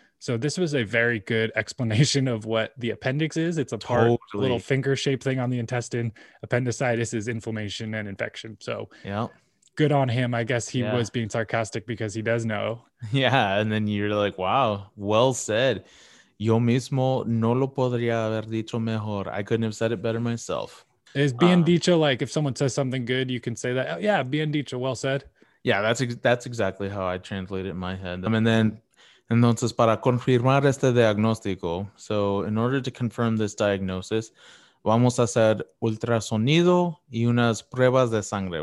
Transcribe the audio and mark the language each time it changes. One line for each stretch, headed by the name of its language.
English: So this was a very good explanation of what the appendix is. It's a part, totally. Little finger-shaped thing on the intestine. Appendicitis is inflammation and infection. So good on him. I guess he was being sarcastic because he does know. Yeah, and then you're like, wow, well said.
Spanish: Yo mismo no lo podría haber dicho mejor.
English: I couldn't have said it better myself. Is bien dicho like if someone says something good, you can say that? Oh, yeah, bien dicho, well said. Yeah, that's exactly how I translate it in my head.
Spanish: And then, entonces, para confirmar este diagnóstico,
English: so in order to confirm this diagnosis,
Spanish: vamos a hacer ultrasonido y unas pruebas de sangre.